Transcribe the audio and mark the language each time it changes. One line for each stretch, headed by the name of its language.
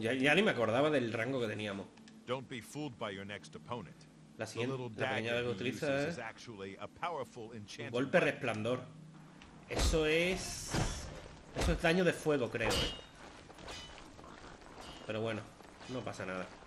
Spanish: ya ni me acordaba del rango que teníamos.
English: Don't be fooled by your next opponent.
Spanish: La siguiente, la peñada que utiliza es un golpe resplandor. Eso es daño de fuego, creo. Pero bueno, no pasa nada.